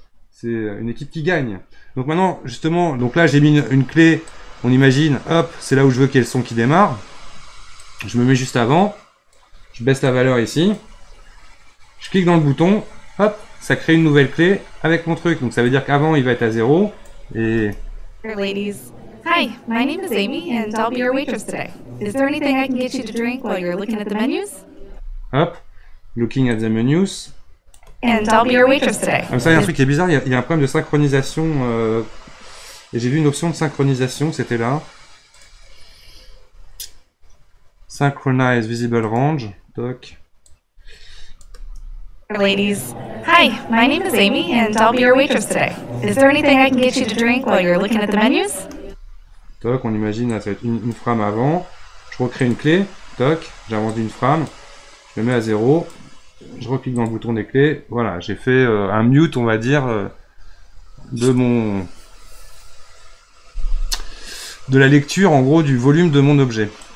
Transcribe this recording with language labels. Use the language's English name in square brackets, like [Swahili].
[French] C'est une équipe qui gagne. Donc maintenant, justement, donc là j'ai mis une clé, on imagine, hop, c'est là où je veux qu'il y ait le son qui démarre. Je me mets juste avant. Je baisse la valeur ici, je clique dans le bouton, hop, ça crée une nouvelle clé avec mon truc. Donc ça veut dire qu'avant il va être à zéro et... [English] Hey ladies, hi, my name is Amy and I'll be your waitress today. Is there anything I can get you to drink while you're looking at the menus? Hop, looking at the menus. And I'll be your waitress today. [French] Comme ça, il y a un truc qui est bizarre, il y a un problème de synchronisation. Et j'ai vu une option de synchronisation, c'était là. [English] Synchronize visible range, doc. Ladies, hi, my name is Amy and I'll be your waitress today. Is there anything I can get you to drink while you're looking at the menus? [French] Doc, on imagine, là, ça va être une frame avant. Je recrée une clé, doc, j'avance d'une frame, je le mets à zéro, je reclique dans le bouton des clés, voilà, j'ai fait un mute, on va dire, de la lecture, en gros, du volume de mon objet.